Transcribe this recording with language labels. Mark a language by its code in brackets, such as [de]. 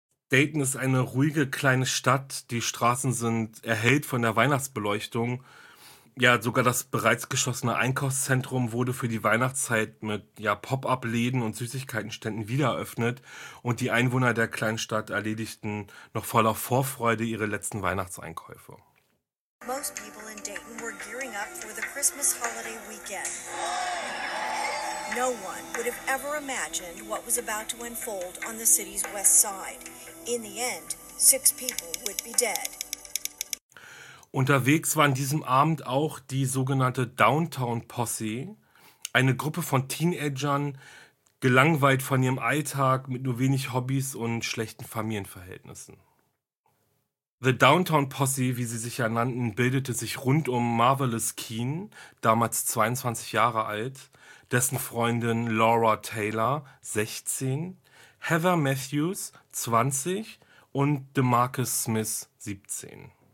[de] Dayton ist eine ruhige kleine Stadt. Die Straßen sind erhellt von der Weihnachtsbeleuchtung. Ja, sogar das bereits geschlossene Einkaufszentrum wurde für die Weihnachtszeit mit ja, Pop-up-Läden und Süßigkeitenständen wiedereröffnet und die Einwohner der Kleinstadt erledigten noch voller Vorfreude ihre letzten Weihnachtseinkäufe. [en] Most people in Dayton were gearing up for the Christmas holiday weekend. No one would have ever imagined what was about to unfold on the city's west side. In the end, 6 people would be dead. [de] Unterwegs war an diesem Abend auch die sogenannte Downtown Posse, eine Gruppe von Teenagern, gelangweilt von ihrem Alltag mit nur wenig Hobbys und schlechten Familienverhältnissen. The Downtown Posse, wie sie sich ja nannten, bildete sich rund um Marvelous Keen, damals 22 Jahre alt, dessen Freundin Laura Taylor, 16, Heather Matthews, 20 und DeMarcus Smith, 17.